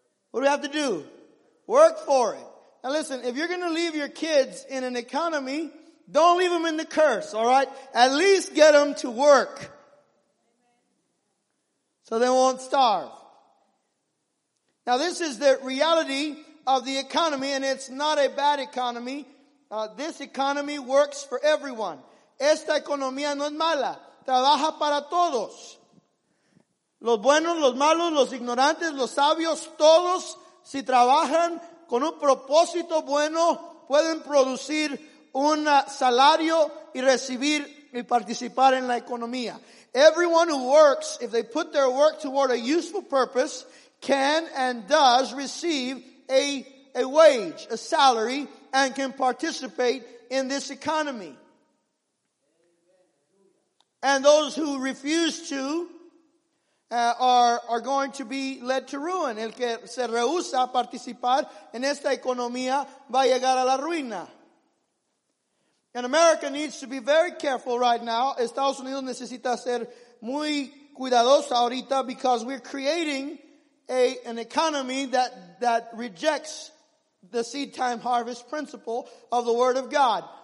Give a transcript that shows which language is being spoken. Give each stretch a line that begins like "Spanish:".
English: What do we have to do? Work for it. Now listen, if you're going to leave your kids in an economy, don't leave them in the curse, all right? At least get them to work so they won't starve. Now this is the reality of the economy, and it's not a bad economy. This economy works for everyone.
Spanish: Esta economía no es mala. Trabaja para todos. Los buenos, los malos, los ignorantes, los sabios, todos, si trabajan con un propósito bueno, pueden producir un salario y recibir y participar en la economía.
English: Everyone who works, if they put their work toward a useful purpose, can and does receive a wage, a salary, and can participate in this economy. And those who refuse to are going to be led to ruin.
Spanish: El que se rehúsa a participar en esta economía va a llegar a la ruina.
English: And America needs to be very careful right now.
Spanish: Estados Unidos necesita ser muy cuidadoso ahorita,
English: because we're creating an economy that rejects the seed time harvest principle of the Word of God.